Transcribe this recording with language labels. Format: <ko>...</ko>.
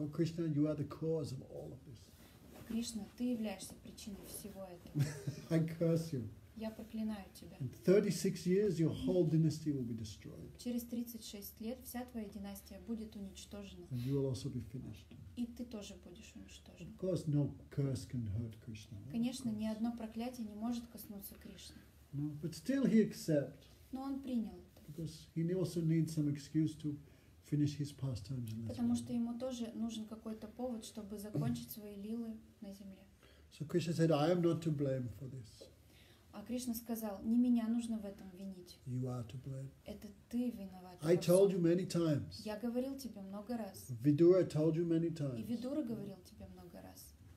<en>Oh Krishna, you are the cause of all of this.</en> <ru>Кришна, ты являешься причиной всего этого.</ru> <en>I curse you.</en> <ru>Я проклинаю тебя.</ru> <en>In 36 years your whole dynasty will be destroyed.</en> <ru>Через 36 лет вся твоя династия будет уничтожена.</ru> <en>And you will also be finished.</en> <ru>И ты тоже будешь уничтожен.</ru> <en>Of course, no curse can hurt Krishna.</en> <ru>Конечно, ни одно проклятие не может коснуться Кришны.</ru> <en>No, but still he accept.</en> <ru>Но он принял это.</ru> <en>Because he also needs some excuse to. Finish his pastimes in this</en> <ru>Потому что ему тоже нужен какой-то повод, чтобы закончить свои лилы на земле.</ru> <en>So Krishna said, I am not to blame for this.</en> <ru>А Кришна сказал, не меня нужно в этом винить.</ru> <en>You are to blame.</en> <ru>Это ты виноват.</ru> <en>I told you many times.</en> <ru>Я говорил тебе много раз.</ru> <en>Vidura told you many times.</en> <ru>И Видура говорил тебе много раз.</ru>